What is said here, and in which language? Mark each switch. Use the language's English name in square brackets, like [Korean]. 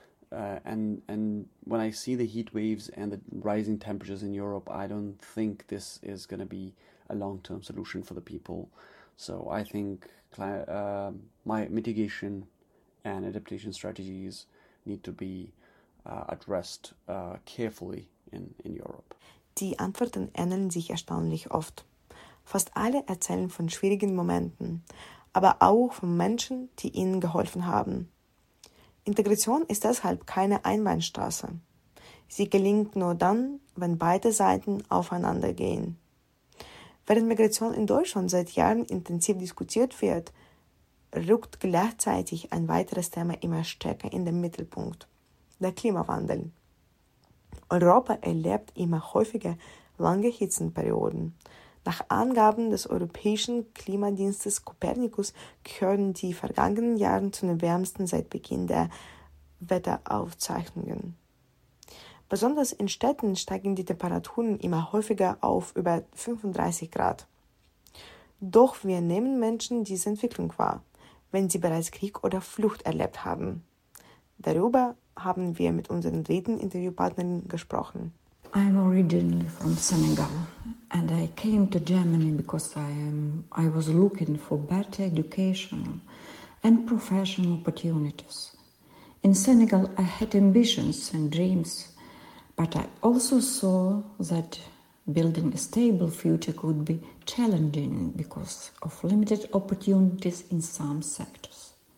[English] And when I see the heat waves and the rising temperatures in Europe, I don't think this is going to be a long-term solution for the people. So I think my mitigation and adaptation strategies need to be addressed carefully in Europe. [German] Die Antworten ähneln sich erstaunlich oft. Fast alle erzählen von schwierigen Momenten, aber auch von Menschen, die ihnen geholfen haben. Integration ist deshalb keine Einbahnstraße. Sie gelingt nur dann, wenn beide Seiten aufeinander gehen. Während Migration in Deutschland seit Jahren intensiv diskutiert wird, rückt gleichzeitig ein weiteres Thema immer stärker in den Mittelpunkt: der Klimawandel. Europa erlebt immer häufiger lange Hitzenperioden. Nach Angaben des europäischen Klimadienstes Copernicus gehören die vergangenen Jahre zu den wärmsten seit Beginn der Wetteraufzeichnungen. Besonders in Städten steigen die Temperaturen immer häufiger auf über 35 Grad. Doch wir nehmen Menschen diese Entwicklung wahr, wenn sie bereits Krieg oder Flucht erlebt haben. Darüber haben wir mit unseren dritten Interviewpartnern gesprochen. [English] I'm originally from Senegal and I came to Germany because I was looking for better education and professional opportunities. In Senegal, I had ambitions and dreams, but I also saw that building a stable future could be challenging because of limited opportunities in some sectors.